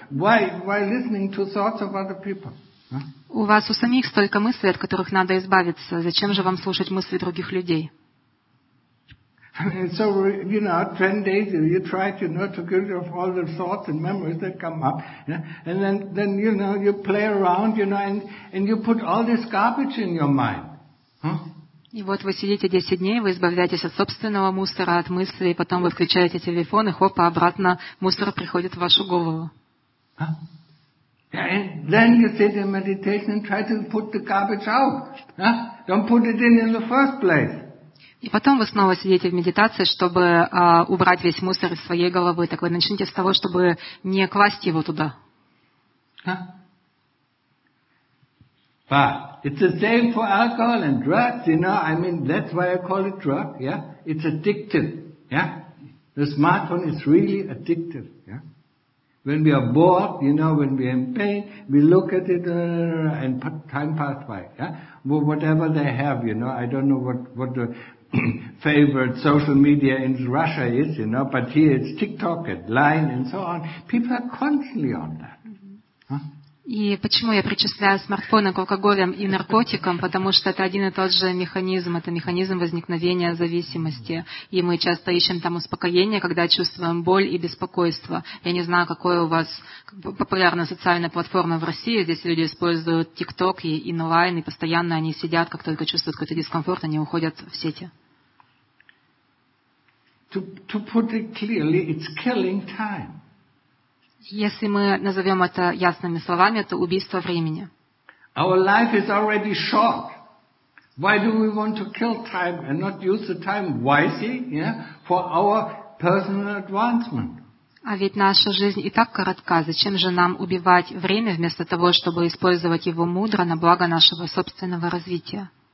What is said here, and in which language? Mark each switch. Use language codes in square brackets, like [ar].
[en] Why listening to thoughts of other people? [ru] У вас у самих столько мыслей, от которых надо избавиться. Зачем же вам слушать мысли других людей? [en] So, you know, 10 days you try to, you know, to get rid of all the thoughts and memories that come up, yeah? And then you know, you play around, you know, and you put all this garbage in your mind. [ru] И вот вы сидите 10 дней, вы избавляетесь от собственного мусора, от мыслей, и потом вы включаете телефон, и хоп, обратно мусор приходит в вашу голову. [en] And then you sit in meditation and try to put the garbage out. Don't put it in the first place. [ru] И потом вы снова сидите в медитации, чтобы убрать весь мусор из своей головы. Так вы начните с того, чтобы не класть его туда. [en] But it's the same for alcohol and drugs, you know. I mean, that's why I call it drug, yeah? It's addictive, yeah? The smartphone is really addictive. Yeah? When we are bored, you know, when we are in pain, we look at it and time passes by. Yeah? Well, whatever they have, you know, I don't know what the favorite social media in Russia is, you know, but here it's TikTok and Line and so on. People are constantly on that. [ru] И почему я причисляю смартфоны к алкоголям и наркотикам? Потому что это один и тот же механизм. Это механизм возникновения зависимости. И мы часто ищем там успокоение, когда чувствуем боль и беспокойство. Я не знаю, какая у вас популярная социальная платформа в России. Здесь люди используют TikTok и Inline, и постоянно они сидят, как только чувствуют какой-то дискомфорт, они уходят в сети. [en] To put it clearly, it's killing time. [ru] Если мы назовем это ясными словами, это убийство времени. [en] Our life is already short. Why do we want to kill time and not use the time wisely, yeah, for our personal advancement? [ru] А ведь наша жизнь и так коротка. Зачем же нам убивать время вместо того, чтобы использовать его мудро на благо нашего собственного развития?